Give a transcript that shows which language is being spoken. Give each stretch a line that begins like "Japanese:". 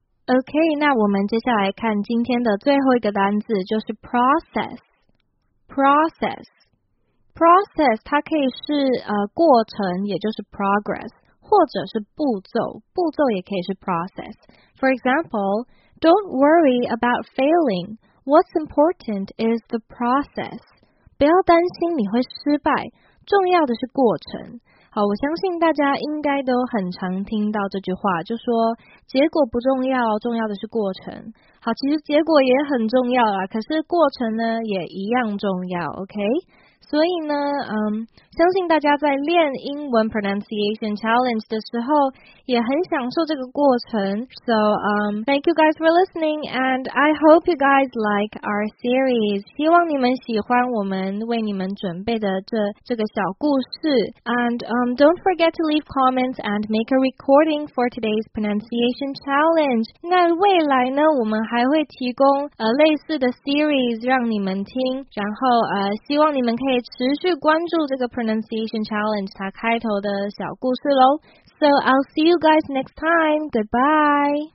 Chinese: OK， 那我们接下来看今天的最后一个单字，就是 process 它可以是过程，也就是 progress，或者是步骤也可以是 process。
English: For example, Don't worry about failing. What's important is the process.
Chinese: 不要担心你会失败，重要的是过程。好，我相信大家应该都很常听到这句话，就说结果不重要，重要的是过程。好，其实结果也很重要啦，可是过程呢也一样重要。 OK，所以呢相信大家在练英文
English: pronunciation challenge
Chinese: 的时候也很享受这个过程。
English: So thank you guys for listening, and I hope you guys like our series.
Chinese: 希望你们喜欢我们为你们准备的这个小故事。
English: And don't forget to leave comments and make a recording for today's pronunciation challenge.
Chinese: 那未来呢，我们还会提供类似的 series 让你们听，然后希望你们可以可以持续关注这个 pronunciation challenge 它开头的小故事咯。
English: So I'll see you guys next time. Goodbye.